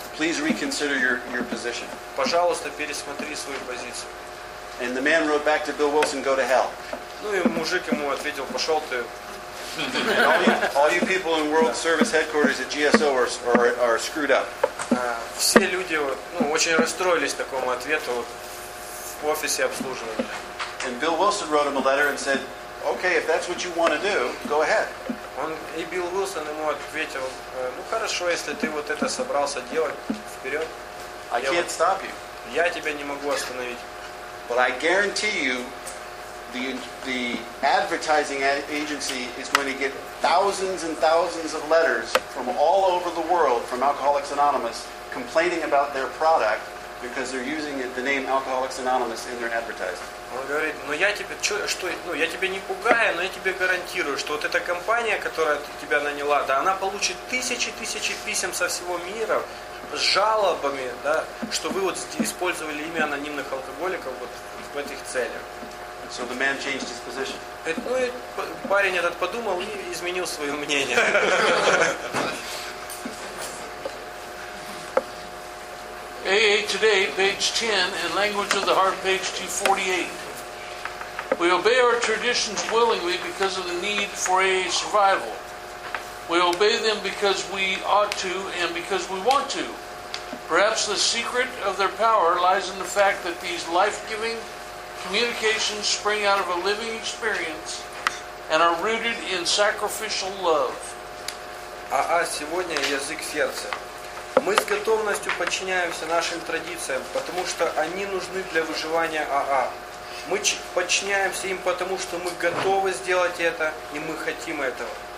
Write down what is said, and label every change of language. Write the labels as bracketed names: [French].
[English] Please reconsider your position. [Russian] Пожалуйста, пересмотри свою позицию. [English] And the man wrote back to Bill Wilson, "Go to hell." [Russian] Ну и мужик ему ответил, пошел ты. [English] All you people in World Service headquarters at GSO are screwed up. [Russian] Все люди очень расстроились такому ответу в офисе обслуживания. [English] And Bill Wilson wrote him a letter and said, "Okay, if that's what you want to do, go ahead." [Russian] И Билл Уилсон ему ответил, хорошо, если ты вот это собрался делать, вперед. [English] I can't stop you. [Russian] Я тебя не могу остановить. [English] But I guarantee you, the advertising agency is going to get thousands and thousands of letters from all over the world from Alcoholics Anonymous complaining about their product because they're using the name Alcoholics Anonymous in their advertising. [Russian] Он говорит, я тебя не пугаю, но я тебе гарантирую, что вот эта компания, которая тебя наняла, да, она получит тысячи писем со всего мира с жалобами, да, что вы вот использовали имя анонимных алкоголиков вот в этих целях. [English] So the man changed his position. [Russian] Парень этот подумал и изменил свое мнение. [English] AA Today, page 10, in Language of the Heart, page 248. We obey our traditions willingly because of the need for AA survival. We obey them because we ought to and because we want to. Perhaps the secret of their power lies in the fact that these life-giving communications spring out of a living experience and are rooted in sacrificial love. [Russian] АА сегодня язык сердца. Мы с готовностью подчиняемся нашим традициям, потому что они нужны для выживания АА. Мы подчиняемся им, потому что мы готовы сделать это, и мы хотим этого.